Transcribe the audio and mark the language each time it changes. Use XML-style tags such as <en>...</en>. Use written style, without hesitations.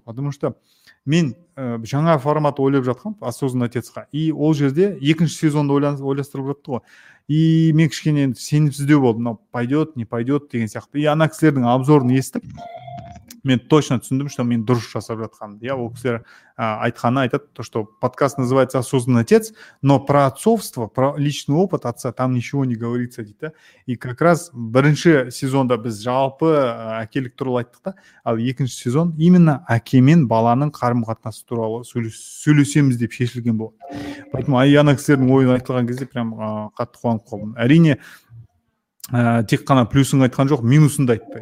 <kk>Потому что мен жаңа формат ойлап жатқам осознанно тестқа. И ол жерде екінші сезонды ойластырып жатты ғой. И мен кішкене сенімсіздеу болдым, мынау</kk> <ru>пойдет, не пойдет</ru> <kk>деген сияқты. И ана кісілердің обзорын естіп, мен точно түсіндім, что мен дұрыс жасап жатқанымды. Ол кісілер айтқаны айтады,</kk> <ru>то, что подкаст называется «Осознанный отец», но про отцовство, про личный опыт отца там ничего не говорится,</ru> <kk>дейді да.</kk> <ru>И как раз</ru> <kk>бірінші сезонда біз жалпы әкелік туралы айттық та, ал екінші сезон именно әке мен баланың қарым-қатынасы туралы сөйлесеміз деп шешілген болды. Поэтому ана кісілердің ойын айтылған кезде прям қатты қуанып қалдым. Әрине, тек қана плюсын айтқан жоқ, минусын да айтты.</kk>